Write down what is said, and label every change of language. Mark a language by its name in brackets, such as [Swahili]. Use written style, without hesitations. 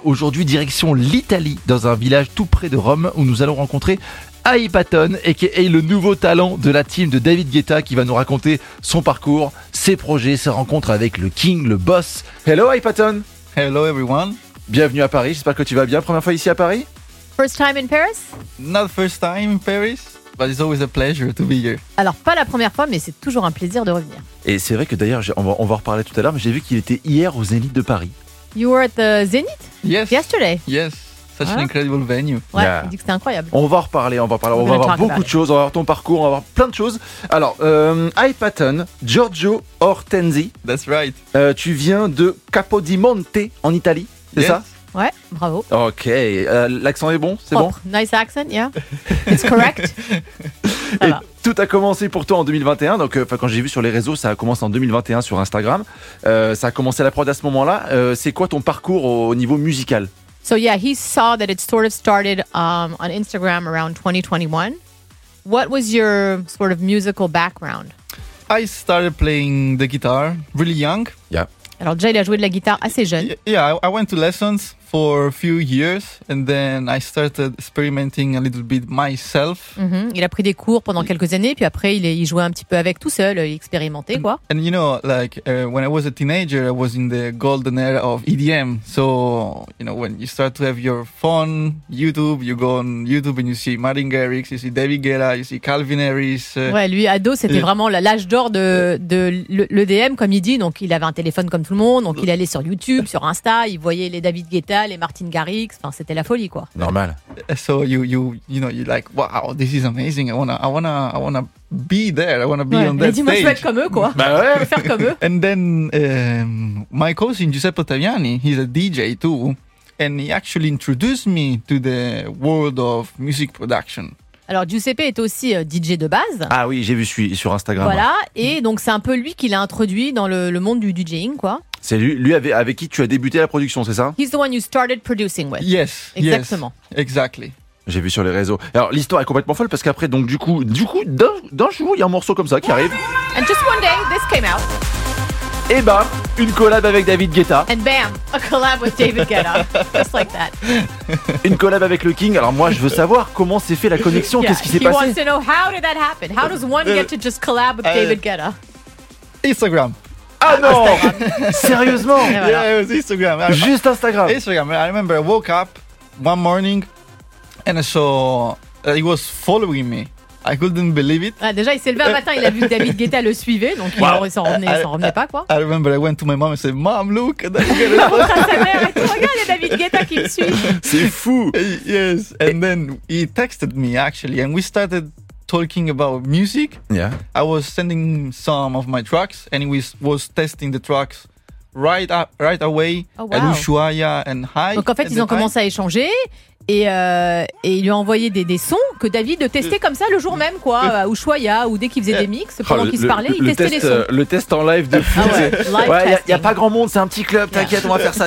[French] Aujourd'hui, direction l'Italie, dans un village tout près de Rome, où nous allons rencontrer Ai Paton, a.k.a. le nouveau talent de la team de David Guetta, qui va nous raconter son parcours, ses projets, ses rencontres avec le king, le boss. [English] Hello Ai Paton! Hello everyone! [French] Bienvenue à Paris, j'espère que tu vas bien. Première fois ici à Paris? [English] First time in Paris? Not first time in Paris, but it's always a pleasure to be here. [French] Alors, pas la première fois, mais c'est toujours un plaisir de revenir. Et c'est vrai que d'ailleurs, on va en reparler tout à l'heure, mais j'ai vu qu'il était hier au Zénith de Paris. [English] You were at the Zénith? Yes. Yesterday? Yes. Such an incredible venue. [French] Ouais, yeah. Il dit que c'était incroyable. On va en reparler. On va avoir beaucoup de choses, on va avoir ton parcours, on va avoir plein de choses. Alors, Ai Paton, Giorgio Ortenzi. [English] That's right. [French] Tu viens de Capodimonte en Italie, c'est [English] yes. [French] ça? Ouais, bravo. Ok, l'accent est bon, c'est propre. Bon. [English] Nice accent, yeah. It's correct. [French] Et tout a commencé pour toi en 2021. Donc, quand j'ai vu sur les réseaux, ça a commencé en 2021 sur Instagram. Ça a commencé la prod à ce moment-là. C'est quoi ton parcours au niveau musical? [English] So yeah, he saw that it sort of started on Instagram around 2021. What was your sort of musical background? I started playing the guitar really young. Yeah. [French] Alors, déjà, il a joué de la guitare assez jeune. [English] Yeah, I went to lessons for a few years and then I started experimenting a little bit myself. Mm-hmm. [French] Il a pris des cours pendant quelques années, puis après, il jouait un petit peu avec tout seul, il expérimentait, quoi. [English] And you know, like, when I was a teenager, I was in the golden era of EDM. So, you know, when you start to have your phone, YouTube, you go on YouTube and you see Martin Garrix, you see David Guetta, you see Calvin Harris. [French] Ouais, lui, ado, c'était vraiment l'âge d'or de l'EDM, comme il dit. Donc, il avait un téléphone comme tout le monde, donc il allait sur YouTube, sur Insta, il voyait les David Guetta, les Martin Garrix, enfin c'était la folie quoi. Normal. [English] So you know, you're like, wow, this is amazing, I wanna be there, I wanna be on that stage. [French] Mais dis-moi, je veux comme eux quoi, bah ouais. Je veux faire comme eux. [English] And then my cousin Giuseppe Taviani, he's a DJ too, and he actually introduced me to the world of music production. [French] Alors Giuseppe est aussi DJ de base. Ah oui, j'ai vu sur Instagram. Voilà, et donc c'est un peu lui qui l'a introduit dans le monde du DJing, quoi. C'est lui avec qui tu as débuté la production, c'est ça? [English] He's the one you started producing with. Yes, [French] exactement. [English] Yes, exactly. [French] J'ai vu sur les réseaux. Alors l'histoire est complètement folle parce qu'après, donc du coup, d'un jour, il y a un morceau comme ça qui arrive. [English] And just one day, this came out. [French] Et bam, une collab avec David Guetta. [English] And bam, a collab with David Guetta. Just like that. [French] Une collab avec le King. Alors moi, je veux savoir comment s'est fait la connexion. [English] Yeah, [French] qu'est-ce qui s'est [English] he [French] passé? [English] He wants to know how did that happen? How does one get to just collab with David Guetta? Instagram. [French] Ah non, Instagram. Sérieusement? Voilà. [English] Yeah, it was Instagram. [French] Juste Instagram. [English] Instagram. I remember I woke up one morning and I saw that he was following me. I couldn't believe it. [French] Ah, déjà, il s'est levé un matin, il a vu que David Guetta le suivait, donc il s'en revenait pas, quoi. [English] I remember I went to my mom and said, Mom, look, David Guetta. [French] Regarde, il y a David Guetta qui me suit. C'est fou. [English] Yes, and then he texted me, actually, and we started talking about music. Yeah. I was sending some of my tracks, and he was testing the tracks right away. Oh, wow. At Ushuaia and Hai. [French] Donc, en fait, ils ont commencé à échanger. Et il lui a envoyé des sons que David testait comme ça le jour même, quoi, à Ushuaia, ou dès qu'il faisait des mix, pendant qu'il se parlait, il testait les sons. Le test en live de fou. Ah ouais, y a pas grand monde, c'est un petit club, t'inquiète, on va faire ça